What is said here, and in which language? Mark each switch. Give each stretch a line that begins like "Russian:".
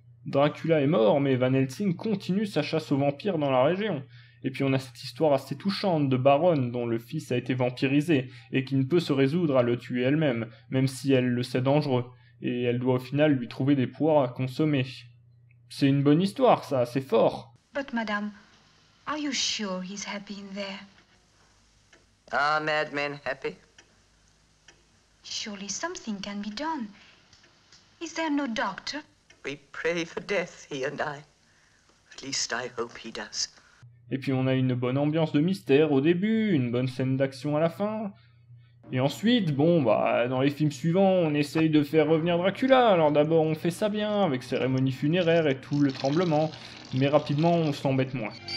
French: Dracula est mort, mais Van Helsing continue sa chasse aux vampires dans la région. Et puis on a cette histoire assez touchante de Baronne dont le fils a été vampirisé, et qui ne peut se résoudre à le tuer elle-même, même si elle le sait dangereux, et elle doit au final lui trouver des pouvoirs à consommer. C'est une bonne histoire, ça, c'est fort.
English: But madame, are you sure he's happy in there? Are madmen happy? Surely something can be done. Is there no doctor? We pray for death, he and I. At least I hope he does.
French: Et puis on a une bonne ambiance de mystère au début, une bonne scène d'action à la fin. Et ensuite, bon, bah, dans les films suivants, on essaye de faire revenir Dracula. Alors d'abord, on fait ça bien, avec cérémonie funéraire et tout le tremblement. Mais rapidement, on s'embête moins.